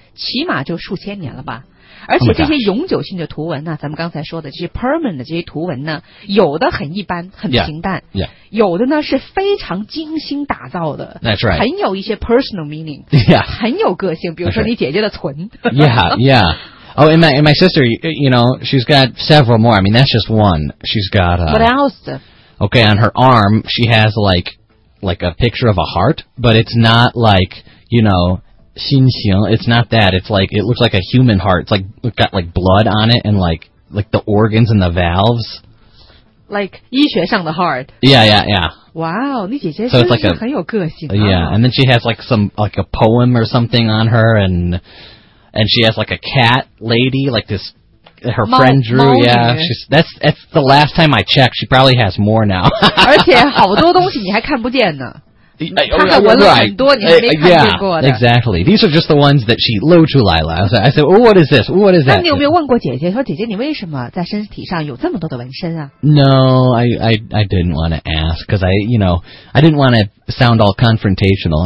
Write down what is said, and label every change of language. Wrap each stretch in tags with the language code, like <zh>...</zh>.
<zh>起码就数千年了吧。而且这些永久性的图文呢、 oh、咱们刚才说的这些 permanent 的这些图文呢，有的很一般很平淡。</zh> <en>Yeah, yeah.</en> <zh>有的呢是非常精心打造的。</zh> <en>That's right.</en> <zh>很有一些</zh> <en>personal meaning. Yeah.</en> <zh>很有个性，比如说你姐姐的存。</zh> <en>Yeah, yeah. Oh, and my sister, you know, she's got several more. I mean, that's just one. She's got, What else? Okay, on her arm, she has like a picture of a heart, but it's not like, you know,</en> <zh>心形,</zh> <en>it's not that. It's like, it looks like a human heart. It's like, it's got like blood on it and like the organs and the valves. Like</en> <zh>医学上的</zh> <en>heart. Yeah, yeah, yeah.</en> <zh>Wow, 你姐姐真是很有个性啊。</zh> <en>Yeah, and then she has like some, like a poem or something on her, and she has like a cat lady, like this, her friend drew, yeah. That's the last time I checked. She probably has more now.</en> <zh>而且好多东西你还看不见呢。</zh> <en>Yeah, exactly. These are just the ones that she looked to Lila. I said, well, what is this? What is that?</en> <zh>那你有没有问过姐姐，说姐姐你为什么在身体上有这么多的纹身啊？</zh> <en>No, I didn't want to ask, because I, you know, I didn't want to sound all confrontational.</en>